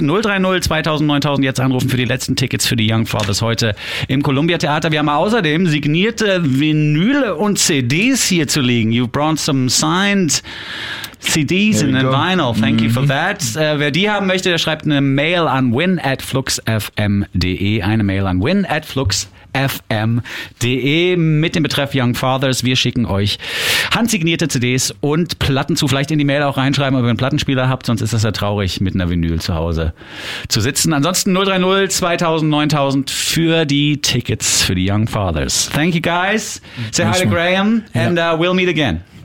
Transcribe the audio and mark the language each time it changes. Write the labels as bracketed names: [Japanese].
[German] 030-2000-9000 jetzt anrufen für die letzten Tickets für die Young Fathers heute im Columbia Theater. Wir haben außerdem signierte Vinyle und CDs hier zu liegen. [English] You've brought some signed CDs and then vinyl. Thank you for that. [German] Wer die haben möchte, der schreibt eine Mail an win@fluxfm.de. Eine Mail an win@fluxfm.de mit dem Betreff Young Fathers. Wir schicken euch handsignierte CDs und Platten zu. Vielleicht in die Mail auch reinschreiben, ob ihr einen Plattenspieler habt. Sonst ist das ja traurig, mit einer Vinyl zu Hause zu sitzen. Ansonsten 030-2000-9000 für die Tickets für die Young Fathers. [English] Thank you, guys. Say hi to Graham. And we'll meet again.